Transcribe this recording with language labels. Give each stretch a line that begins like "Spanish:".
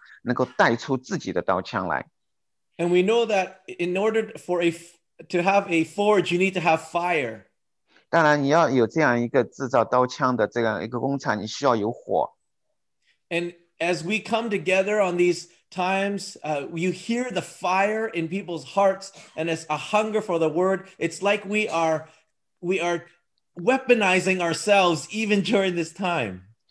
Chinese: 但是当星期二晚上听到大家分享的时候，好像感到每一个家庭好像都有自己的这个制造刀枪的这样一个工厂，能够带出自己的刀枪来。And
English: we know that in order for a to have a forge, you need to have fire.
Chinese: 当然，你要有这样一个制造刀枪的这样一个工厂，你需要有火。And
English: as we come together on these times, you hear the fire in people's hearts, and it's a hunger for the word. It's like we are weaponizing ourselves even during this time.